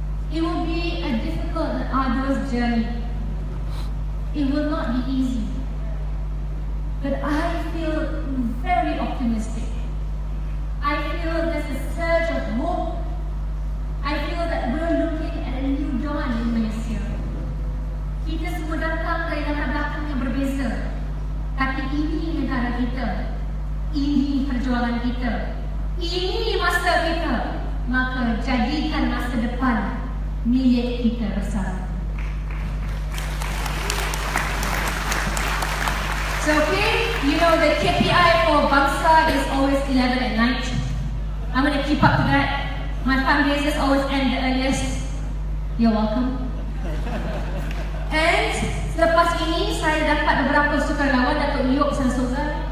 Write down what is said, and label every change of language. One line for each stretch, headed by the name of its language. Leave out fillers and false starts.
English: It will be a difficult and arduous journey. It will not be easy. But I feel very optimistic. I feel there's a surge of hope. I feel that we're looking at a new dawn in Malaysia.
Malay: Kita semua datang dari latar belakang yang berbeza. Tapi ini negara kita. Ini perjuangan kita. Ini masa kita. Maka jadikan masa depan milik kita bersama.
English: So, okay, you know the KPI for Bangsa is always 11 at night. I'm going to keep up to that. My fundraisers always end the earliest. You're welcome.
Malay: And selepas ini, saya dapat beberapa sukarelawan, Dato' Yoke Sansoga.